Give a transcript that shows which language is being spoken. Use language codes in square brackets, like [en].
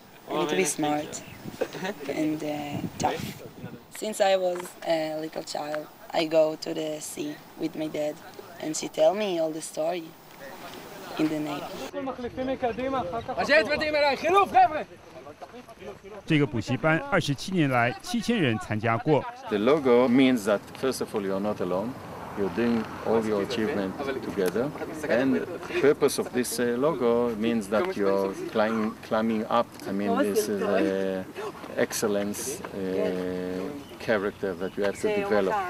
[en] I need to be smart and tough. Since I was a little child, I go to the sea with my dad, and she tell me all the story in the Navy. [zh] 这个补习班27年来7000人参加过。 [en] The logo means that first of all you are not alone. You're doing all your achievements together. And the purpose of this logo means that you're climbing up. I mean, this is an excellence character that you have to develop.